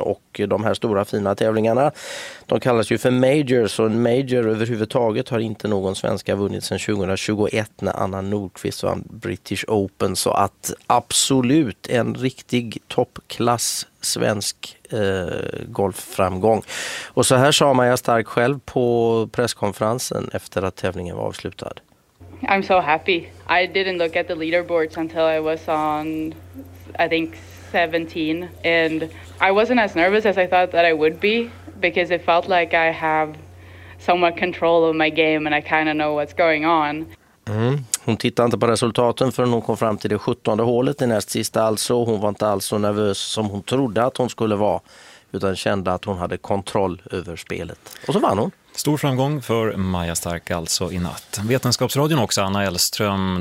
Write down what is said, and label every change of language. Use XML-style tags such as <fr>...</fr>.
<sv>Och de här stora fina tävlingarna, de kallas ju för majors, och en major överhuvudtaget har inte någon svenska vunnit sedan 2021 när Anna Nordqvist vann British Open. Så att absolut en riktig toppklass svensk golfframgång. Och så här sa Maja Stark själv på presskonferensen efter att tävlingen var avslutad.</sv> <en>I'm so happy. I didn't look at the leaderboards until I was on, I think, 17. And I wasn't as nervous as I thought that I would be, because it felt like I have somewhat control of my game and I kind of know what's going on. Mm.</en> <sv>Hon tittade inte på resultaten förrän hon kom fram till det 17:e hålet, det näst sista alltså. Hon var inte alls så nervös som hon trodde att hon skulle vara, utan kände att hon hade kontroll över spelet. Och så vann hon. Stor framgång för Maja Stark alltså i natt. Vetenskapsradion också, Anna Elström.</sv>